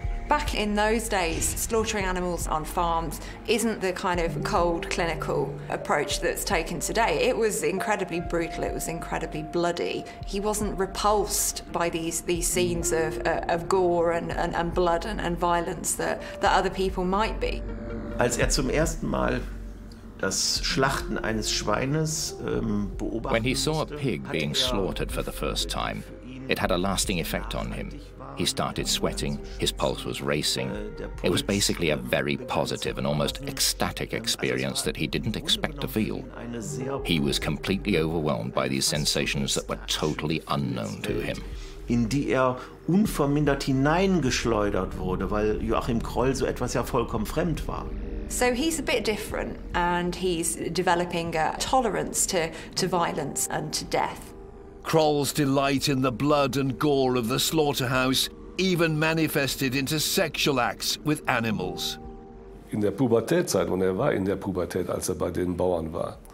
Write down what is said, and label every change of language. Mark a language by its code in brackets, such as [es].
[en] Back in those days, slaughtering animals on farms isn't the kind of cold, clinical approach that's taken today. It was incredibly brutal, it was incredibly bloody. He wasn't repulsed by these scenes of gore and blood and violence that other people might be. [de] Als er zum ersten Mal das Schlachten eines Schweines beobachtete, [en] when he saw a pig being slaughtered for the first time, it had a lasting effect on him. He started sweating, his pulse was racing. It was basically a very positive and almost ecstatic experience that he didn't expect to feel. He was completely overwhelmed by these sensations that were totally unknown to him. [de] In die er unvermindert hineingeschleudert wurde, weil Joachim Kroll so etwas ja vollkommen fremd war. [en] So he's a bit different and he's developing a tolerance to violence and to death. Kroll's delight in the blood and gore of the slaughterhouse even manifested into sexual acts with animals. [de] In der Pubertätzeit, when er war in der Pubertät, als er bei den Bauern war.